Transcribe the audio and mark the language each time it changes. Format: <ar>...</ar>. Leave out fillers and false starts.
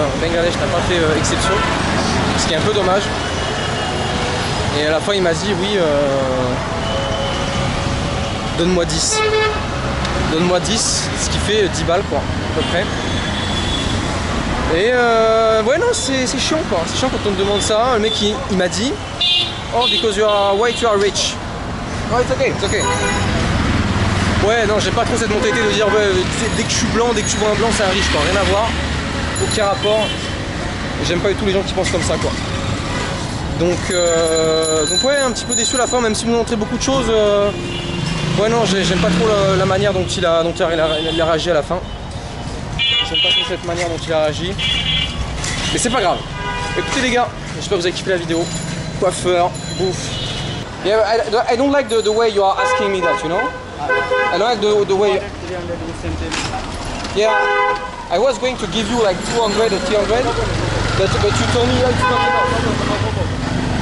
<fr>Bangladesh n'a pas fait exception. Ce qui est un peu dommage. Et à la fin il m'a dit oui, donne-moi 10. donne-moi 10, ce qui fait 10 balles quoi, à peu près. Et ouais non, c'est chiant quoi, c'est chiant quand on te demande ça. Le mec il m'a dit,</fr> <en>oh because you are white, you are rich. Oh it's okay, it's okay.</en> <fr>Ouais non, j'ai pas trop cette mentalité de dire ouais, dès que je suis blanc, dès que tu vois un blanc, c'est un riche quoi, rien à voir, aucun rapport. J'aime pas du tout les gens qui pensent comme ça quoi. Donc ouais, un petit peu déçu à la fin, même s'il nous montrait beaucoup de choses. Ouais non, j'aime pas trop la manière dont il a réagi à la fin. J'aime pas trop cette manière dont il a réagi. Mais c'est pas grave. Écoutez les gars, j'espère que vous avez kiffé la vidéo. Coiffeur, bouffe.</fr> <en>Yeah, I don't like the way you are asking me that, you know? I don't like the way you... Yeah, I was going to give you like 200 or 300. But you told me you like to come here.</en>